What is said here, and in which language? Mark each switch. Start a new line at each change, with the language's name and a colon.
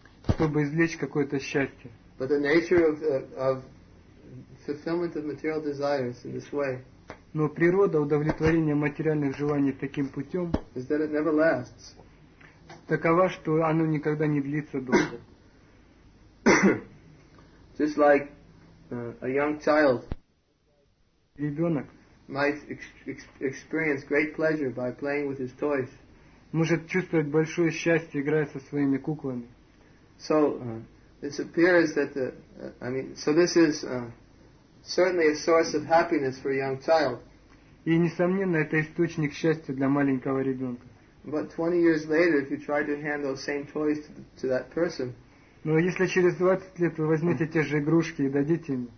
Russian: Чтобы извлечь какое-то счастье.
English: But the nature of fulfillment of material desires in this way.
Russian: Но природа удовлетворения материальных желаний таким путем.
English: Is that it never lasts.
Russian: Такова, что оно никогда не длится долго.
English: Just like a young child
Russian: ребенок
English: might experience great pleasure by playing with his toys.
Russian: Может чувствовать большое счастье, играя со своими куклами.
English: So it appears that this is certainly a source of happiness for a young child.
Russian: И несомненно, это источник счастья для маленького ребенка.
English: But 20 years later, if you try to hand those same toys to that person.
Russian: Но если через 20 лет вы возьмете те же игрушки и дадите им,